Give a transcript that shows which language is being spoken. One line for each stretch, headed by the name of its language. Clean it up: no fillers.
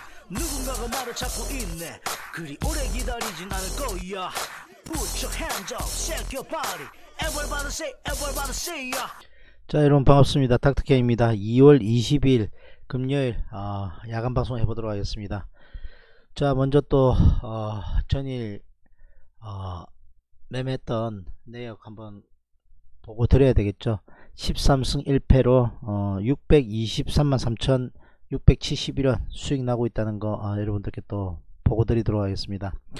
Korean: 누군가가 말을 찾고 있네. 그리 오래 기다리진 않을 거야.
English: Put your hands up, shake your body. Everybody say, everybody say, yeah.
Korean: 자, 여러분 반갑습니다. 닥터K입니다. 2월 20일 금요일 야간 방송 해보도록 하겠습니다. 자, 먼저 또 전일 매매했던 내역 한번 보고 드려야 되겠죠. 13승 1패로 623만 3671원 수익 나고 있다는 거 여러분들께 또 보고 드리도록 하겠습니다.